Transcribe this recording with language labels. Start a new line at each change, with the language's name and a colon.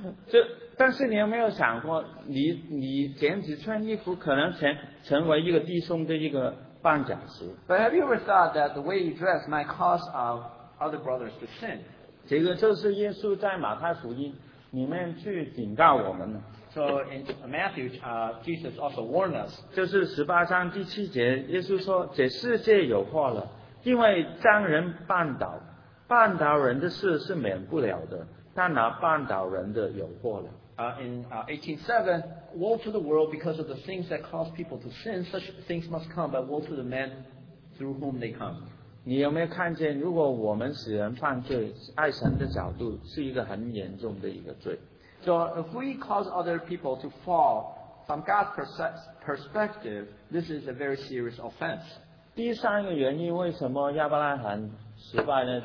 Chinese: 这但是你有没有想过，你简直穿衣服可能成为一个弟兄的一个绊脚石。
English: But have you ever thought that the way you dress might cause other brothers to sin?
Chinese: 这个就是耶稣在马太福音里面去警告我们的。
English: So in Matthew, Jesus also warned us.
Chinese: 就是十八章第七节，耶稣说：“这世界有祸了，因为将人绊倒，绊倒人的事是免不了的，但那绊倒人的有祸了。”
English: In 18:7, woe to the world because of the things that cause people to sin. Such things must come, but woe to the man through whom they come.
Chinese: 你有没有看见，如果我们使人犯罪，爱神的角度是一个很严重的一个罪。
English: So if we cause other people to fall from God's perspective, this is a very serious offense.
Chinese: 第三个原因为什么亚伯拉罕失败呢？